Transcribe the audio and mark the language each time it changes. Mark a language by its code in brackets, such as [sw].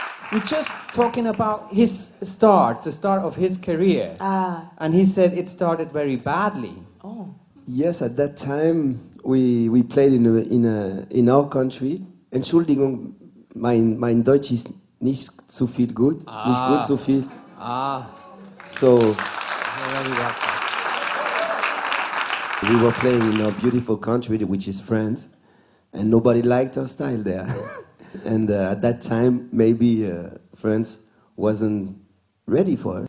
[en] We're just talking about his start, the start of his career. And he said it started very badly. Oh. Yes, at that time we played in our country. [de] Entschuldigung, mein Deutsch ist nicht so viel gut. Nicht gut so viel. [en] So we were playing in a beautiful country, which is France, and nobody liked our style there. And at that time, maybe France wasn't ready for it.